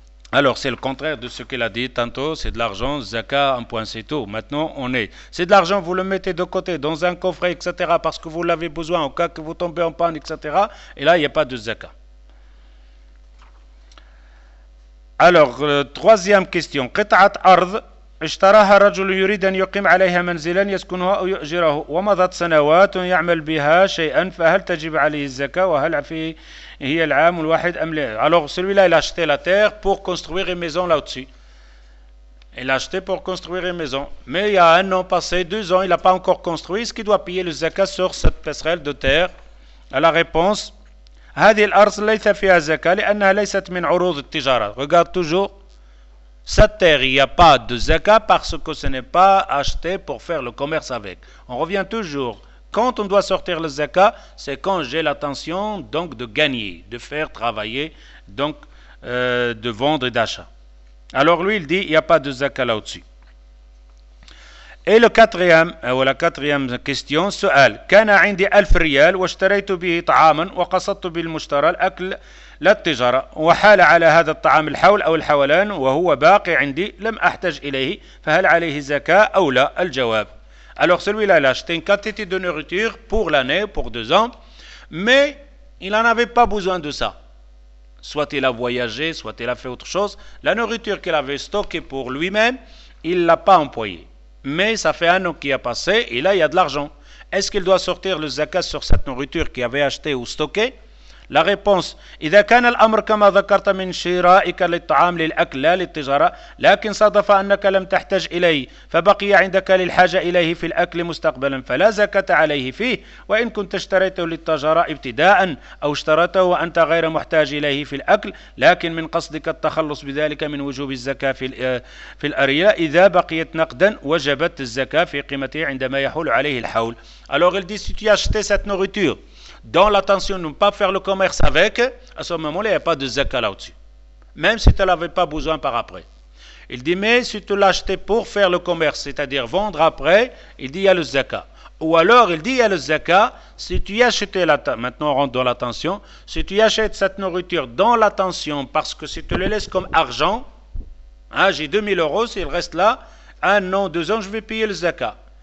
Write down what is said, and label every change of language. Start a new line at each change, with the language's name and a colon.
French: Alors c'est le contraire de ce qu'il a dit tantôt. C'est de l'argent, zakat, un point, c'est tout. Maintenant, c'est de l'argent, vous le mettez de côté, dans un coffret, etc. Parce que vous l'avez besoin au cas que vous tombez en panne, etc. Et là, il n'y a pas de zakat. Alors, troisième question.
Arabic: قطعة أرض اشتراها رجل يريد أن يقيم عليها منزلا يسكنها أو يؤجره ومضت سنوات يعمل بها شيئا فهل تجب عليه الزكاة وهل في هي العام الواحد أم لا؟
French: Alors celui-là il a acheté la terre pour construire une maison là-dessus. Il a acheté pour construire une maison, mais il y a un an passé, deux ans, il n'a pas encore construit. Est-ce qu'il doit payer le zakat sur cette passerelle de terre? À la réponse.
Arabic: هذه الأرض ليس فيها زكاة لأنها ليست من عروض التجارة.
French: Regarde toujours, cette terre, il n'y a pas de zakat parce que ce n'est pas acheté pour faire le commerce avec. On revient toujours, quand on doit sortir le zakat, c'est quand j'ai l'intention donc de gagner, de faire travailler, donc de vendre et d'achat. Alors lui, il dit, il n'y a pas de zakat là-dessus. Et le quatrième, ou la quatrième question,
Arabic: سؤال. كان عندي ألف ريال واشتريت به طعاما وقصدت بالمشترى الأكل للتجارة وحال على هذا الطعام الحول أو الحولان وهو باقي عندي لم أحتاج إليه فهل عليه زكاة أو لا؟ الجواب.
French: Alors celui-là, il a acheté une quantité de nourriture pour l'année, pour deux ans, mais il n'en avait pas besoin de ça. Soit il a voyagé, soit il a fait autre chose. La nourriture qu'il avait stockée pour lui-même, il ne l'a pas employée. Mais ça fait un an qui a passé et là il y a de l'argent. Est-ce qu'il doit sortir le zakat sur cette nourriture qu'il avait achetée ou stockée? La réponse:
Arabic: إذا كان الأمر كما ذكرت من شرائك للطعام للأكل لا للتجارة، لكن صادف أنك لم تحتاج إليه، فبقي عندك للحاجة إليه في الأكل مستقبلا، فلا زكاة عليه فيه، وإن كنت اشتريته للتجارة ابتداء أو اشتريته وأنت غير محتاج إليه في الأكل، لكن من قصدك التخلص بذلك من وجوب الزكاة في الأرياء إذا بقيت نقدا وجبت الزكاة في قيمته عندما يحول عليه الحول.
French: Alors il dit, si tu as acheté cette nourriture dans l'intention de ne pas faire le commerce avec, à ce moment-là, il n'y a pas de zakat là-dessus. Même si tu n'avais pas besoin par après. Il dit, mais si tu l'as acheté pour faire le commerce, c'est-à-dire vendre après, il dit, il y a le zakat. Ou alors, il dit, il y a le zakat, si tu y achètes, maintenant on rentre dans l'intention, si tu y achètes cette nourriture dans l'intention, parce que si tu le laisses comme argent, hein, j'ai 2000 euros, s'il reste là, un an, deux ans, je vais payer le zakat.